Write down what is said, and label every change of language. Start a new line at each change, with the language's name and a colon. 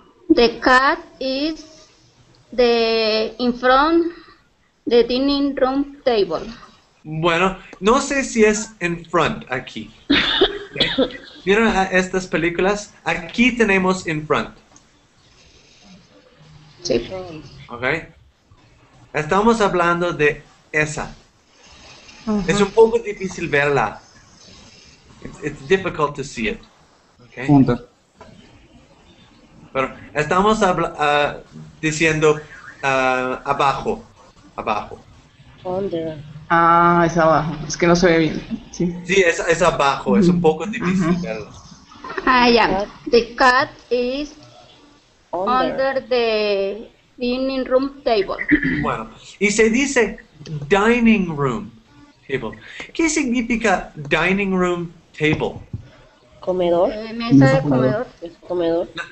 English: The cat is the in front the dining room table.
Spanish: Bueno, no sé si es in front aquí. Okay. ¿Vieron estas películas? Aquí tenemos in front. Sí. Okay. Estamos hablando de esa. Uh-huh. Es un poco difícil verla. It's difficult to see it. Okay. Punto. Pero estamos diciendo abajo. Ah, es abajo. Es que no se ve bien. Sí, es abajo. Mm-hmm. Es un poco difícil uh-huh. verlo.
English: Yeah. The cat is under the dining room table.
Spanish: Bueno, y se dice dining room table. ¿Qué significa dining room table? Comedor. Mesa de comedor.